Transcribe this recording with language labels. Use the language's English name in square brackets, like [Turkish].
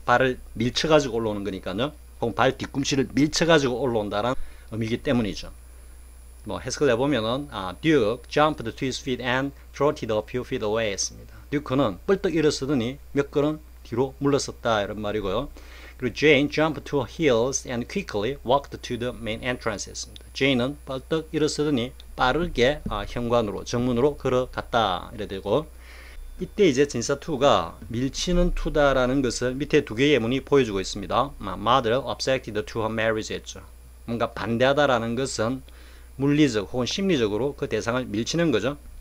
[Korean] 발을 밀쳐가지고 올라오는 거니까요. 혹은 발 뒤꿈치를 밀쳐가지고 올라온다는 의미이기 때문이죠. 뭐 해석을 해보면은 [English] Duke jumped to his feet and trotted a few feet away [Korean] 했습니다. 듀크는 뻘떡 일어서더니 몇 걸음 뒤로 물러섰다 이런 말이고요. [English] 그리고 Jane jumped to her heels and quickly walked to the main entrance [Korean] 했습니다. Jane은 벌떡 일어서더니 빠르게 현관으로 정문으로 걸어갔다 이래 되고 이때 이제 진사 2가 밀치는 2다라는 것을 밑에 두 개의 예문이 보여주고 있습니다. [English] Mother objected to her marriage [Korean] 했죠. 뭔가 반대하다라는 것은 물리적 혹은 심리적으로 그 대상을 밀치는 거죠.